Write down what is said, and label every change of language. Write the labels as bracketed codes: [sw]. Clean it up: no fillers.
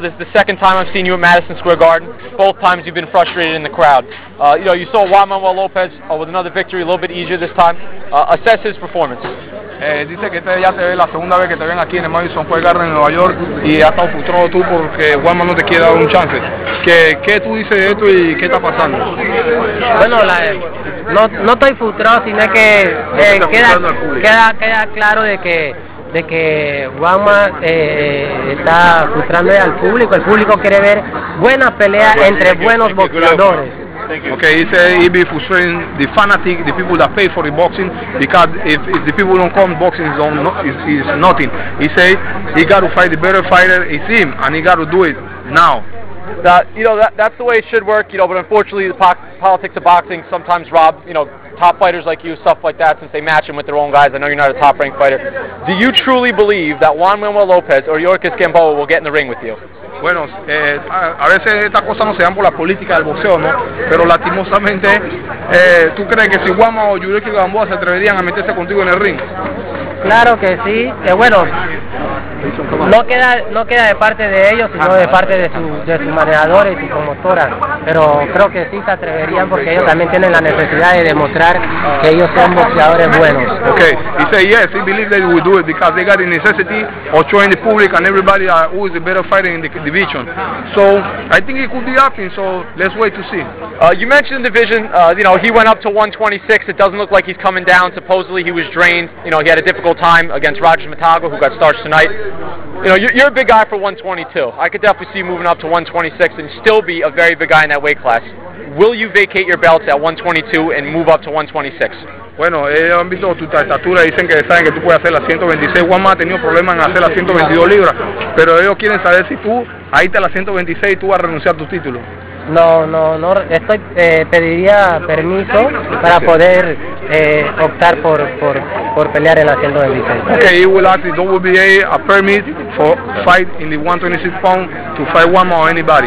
[en] This is the second time I've seen you at Madison Square Garden. Both times you've been frustrated in the crowd. You know, you saw Juan Manuel Lopez with another victory, a little bit easier this time. Assess his performance. [es] Dice que este ya te ve la segunda vez que te ven aquí en el Madison Square Garden en Nueva York y has estado frustrado tú porque Juan Manuel te quiere dar un chance. ¿Qué tú dices de esto y qué está pasando? Bueno, no estoy frustrado, sino que queda claro de que Juanma está frustrando al público. El público quiere ver buenas peleas entre buenos boxeadores. [en] Okay, he said he'd be frustrating the fanatic, the people that pay for the boxing, because if the people don't come, boxing is nothing. He said he got to fight the better fighter, it's him, and he got to do it now. That's the way it should work, you know, but unfortunately the politics of boxing sometimes rob, you know, top fighters like you, stuff like that, since they match them with their own guys. I know you're not a top-ranked fighter. Do you truly believe that Juan Manuel Lopez or Yorkis Gamboa will get in the ring with you? [es] Bueno, a veces estas cosas no se dan por la política del boxeo, ¿no? Pero lastimosamente, ¿tú crees que si Juan o Yorkis Gamboa se atreverían a meterse contigo en el ring? Claro que sí. Bueno, no queda de parte de ellos, sino de parte de su manejador y su promotora. Pero creo que sí se atreverían porque ellos también tienen la necesidad de demostrar que ellos son boxeadores buenos. [en] Okay, he said yes, he believes they will do it because they got the necessity of showing the public and everybody who is the better fighter in the division. So I think it could be happening. So let's wait to see. You mentioned the division. You know, he went up to 126. It doesn't look like he's coming down. Supposedly he was drained. You know, he had a difficult time against Roger Matago, who got starched tonight. You know, you're a big guy for 122. I could definitely see you moving up to 126 and still be a very big guy in that weight class. Will you vacate your belts at 122 and move up to 126? [es] Bueno, ellos han visto tu estatura y dicen que saben que tú puedes hacer la 126. Juanma ha tenido problemas en hacer la 122 libras, pero ellos quieren saber si tú ahí está la 126 y tú vas a renunciar tu título. No. Estoy pediría permiso para poder optar por pelear en la 126. [en] Okay, he will ask the WBA a permit for fight in the 126 pound to fight one more anybody.